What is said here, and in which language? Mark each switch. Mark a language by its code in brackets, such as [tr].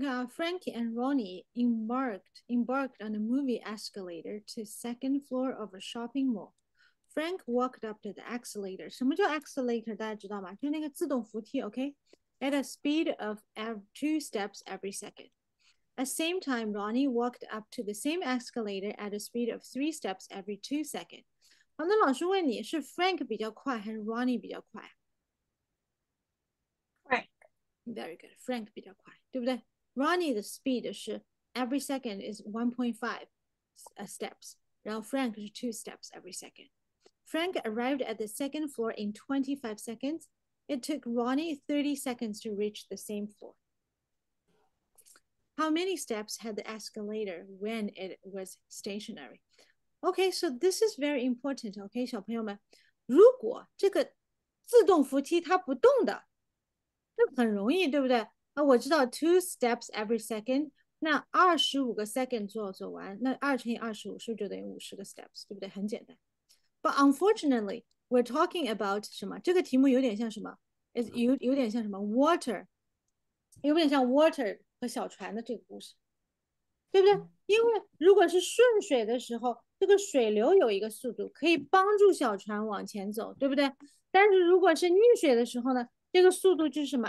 [en] Frankie and Ronnie embarked on a movie escalator to second floor of a shopping mall. Frank walked up to the escalator. [zh] 什么叫escalator,大家知道吗?就是那个自动扶梯, okay? [en] At a speed of 2 steps every second. At same time, Ronnie walked up to the same escalator at a speed of 3 steps every 2 seconds. [zh] 那老师问你,是Frank比较快还是Ronnie比较快? [en] Frank. Very good, Frank [zh] 比较快,对不对? [en] Ronnie 的 speed 是 every second is 1.5 steps， [zh] 然后 [en] Frank 是 2 steps every second。 Frank arrived at the second floor in 25 seconds. It took Ronnie 30 seconds to reach the same floor. How many steps had the escalator when it was stationary? [zh] Okay, [en] so this is very important, [zh] okay, 小朋友们, 如果这个自动扶梯它不动的,就很容易,对不对? 啊,我知道 [en] two steps every second, [zh] 那25个 second做完, 那2乘以25是不是就等于50个 steps,对不对? 很简单。 [en] But unfortunately, we're talking about [zh] 什么? 这个题目有点像什么?有点像什么?Water. 有点像water和小船的这个故事。对不对? 因为如果是顺水的时候, 这个水流有一个速度, 可以帮助小船往前走, 对不对? 但是如果是逆水的时候呢, 这个速度就是什么?